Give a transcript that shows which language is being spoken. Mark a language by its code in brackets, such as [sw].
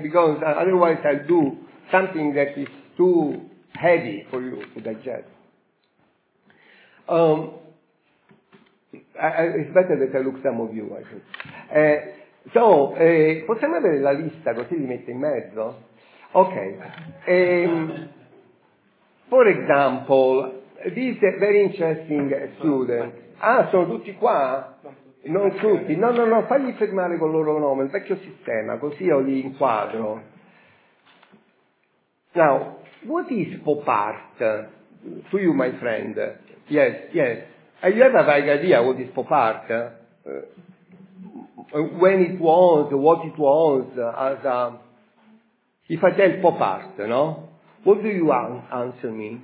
[en] Because otherwise I'll do something that is too heavy for you to digest. It's better that I look some of you, I think. [it] Possiamo avere la lista così li mette in mezzo? [en] Ok. For example, this very interesting student. [it] Ah, sono tutti qua? Non tutti. No, fagli fermare col loro nome, il vecchio sistema, così io li inquadro. [en] Now, what is pop art to you, my friend? Yes. You have a vague idea what is pop art? When it was, what it was, as a... If I tell pop art, no? What do you answer me?